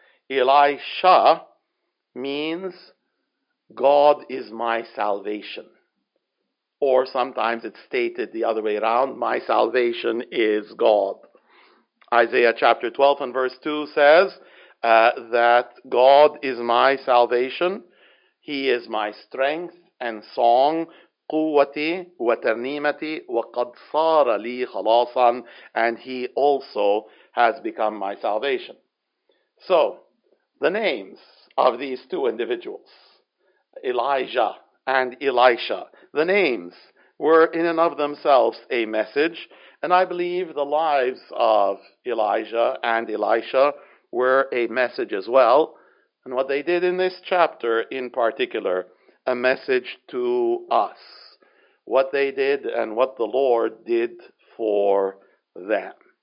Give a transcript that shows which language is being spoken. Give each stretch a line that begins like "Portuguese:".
English: Elisha means God is my salvation. Or sometimes it's stated the other way around, my salvation is God. Isaiah chapter 12 and verse 2 says that God is my salvation. He is my strength and song.
Arabic: قوتي وترنيمتي وقد صار لي خلاصا.
English: And he also has become my salvation. So, the names of these two individuals, Elijah and Elisha, the names were in and of themselves a message, and I believe the lives of Elijah and Elisha were a message as well, and what they did in this chapter in particular, a message to us, what they did and what the Lord did for them.